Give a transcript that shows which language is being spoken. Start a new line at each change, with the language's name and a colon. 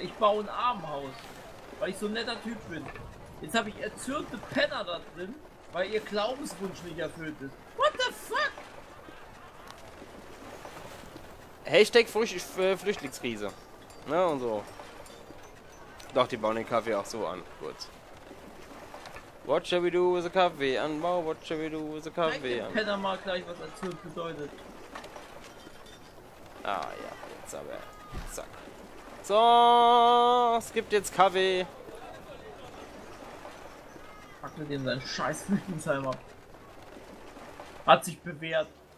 German: Ich baue ein Armenhaus, weil ich so ein netter Typ bin. Jetzt habe ich erzürnte Penner da drin, weil ihr Glaubenswunsch nicht erfüllt ist.
English: What the fuck?
German: Hashtag Flüchtlingskrise. Na ja, und so. Doch, die bauen den Kaffee auch so an. Gut.
English: What shall we do with the coffee? Anbau, what shall we do with the coffee?
German: Ich kenne mal gleich, was das bedeutet. Ah ja, jetzt aber. Zack. So, es gibt jetzt Kaffee. Pack mit dem seinen scheiß Flüchtlingsheim ab. Hat sich bewährt.